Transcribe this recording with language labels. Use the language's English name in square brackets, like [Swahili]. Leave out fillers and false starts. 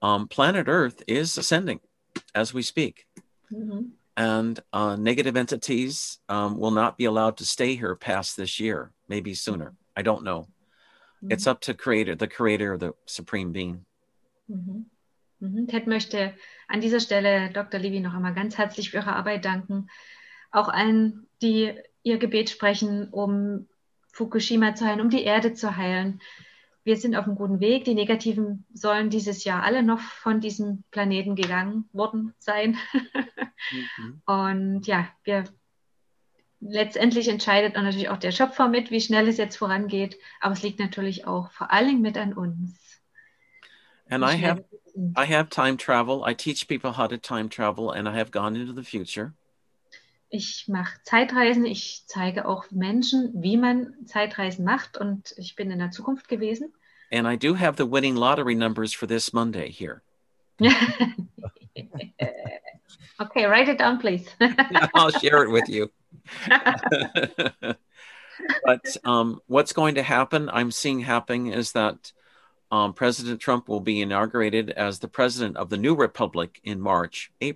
[English] Planet Earth is ascending as we speak. Mm-hmm. And negative entities will not be allowed to stay here past this year, maybe sooner. I don't know. Mm-hmm. It's up to the creator of the Supreme Being. [German] Mm-hmm. Mm-hmm. Ted möchte an dieser Stelle Dr. Libby noch einmal ganz herzlich für ihre Arbeit danken. Auch allen, die ihr Gebet sprechen, um Fukushima zu heilen, um die Erde zu heilen. Wir sind auf einem guten Weg. Die Negativen sollen dieses Jahr alle noch von diesem Planeten gegangen worden sein. Mhm. Und ja, wir letztendlich entscheidet natürlich auch der Schöpfer mit, wie schnell es jetzt vorangeht. Aber es liegt natürlich auch vor allem mit an uns. [English] And I have time travel. I teach people how to time travel and I have gone into the future. [German] Ich mache Zeitreisen, ich zeige auch Menschen, wie man Zeitreisen macht, und ich bin in der Zukunft gewesen. [English] And I do have the winning lottery numbers for this Monday here. Okay, write it down, please. Yeah, I'll share it with you. But what's going to happen, I'm seeing happening, is that President Trump will be inaugurated as the president of the new republic in March.